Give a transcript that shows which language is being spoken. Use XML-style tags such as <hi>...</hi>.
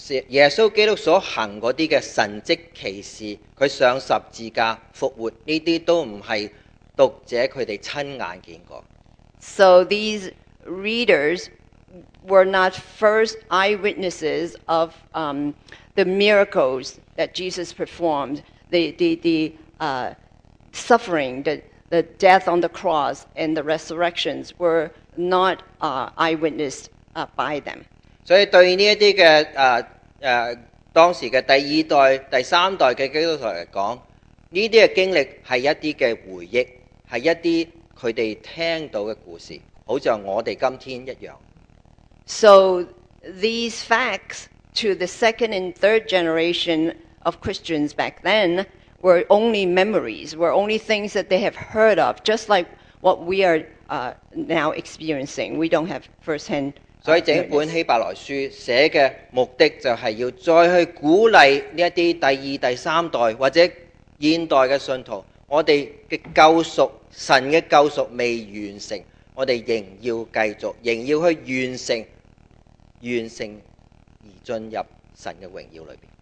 <zh>耶稣基督所行过的神迹奇事，他上十字架复活，这些都不是读者他们亲眼见过。</zh> <en>So these readers were not first eyewitnesses of the miracles that Jesus performed, the suffering, the death on the cross, and the resurrections were not eyewitnessed by them.</en> <zh>所以对这些当时的第二代、第三代的基督徒来讲，这些经历是一些回忆，是一些他们听到的故事，好像我们今天一样。</zh> <en>So these facts to the second and third generation of Christians back then were only memories, were only things that they have heard of, just like what we are now experiencing. We don't have firsthand.</en> <zh>所以整本希伯来书写的目的就是要再去鼓励这些第二、第三代或者现代的信徒，我们的救赎，神的救赎未完成，我们仍要继续，仍要去完成，完成而进入神的荣耀里面。</zh>